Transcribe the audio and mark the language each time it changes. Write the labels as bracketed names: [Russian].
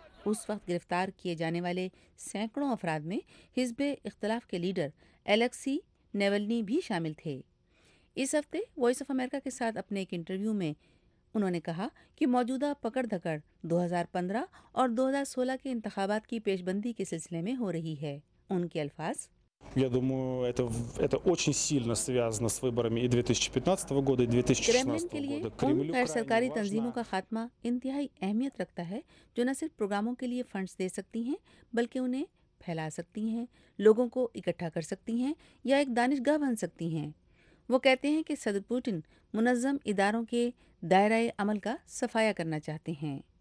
[Urdu] اس وقت گرفتار کیے جانے والے سینکڑوں افراد میں حزب اختلاف کے لیڈر الیکسی نیولنی بھی شامل تھے. اس ہفتے وائس آف امریکہ کے ساتھ اپنے ایک انٹرویو میں انہوں نے کہا کہ موجودہ پکڑ دھکڑ 2015 اور 2016 کے انتخابات کی پیش بندی کے سلسلے میں ہو رہی ہے. ان کے الفاظ, [Russian] Я думаю, это очень сильно связано с выборами и 2015 года, и 2016 года. [Urdu] Кремль غیر سرکاری تنظیموں کا خاتمہ انتہائی اہمیت رکھتا ہے جو نہ صرف پروگراموں کے لیے فنڈز دے سکتی ہیں بلکہ انہیں پھیلا سکتی ہیں, لوگوں کو اکٹھا کر سکتی ہیں یا ایک دانشگاہ بن سکتی ہیں. وہ کہتے ہیں کہ صدر پوٹن منظم اداروں کے دائرہ عمل کا صفایا کرنا چاہتے ہیں.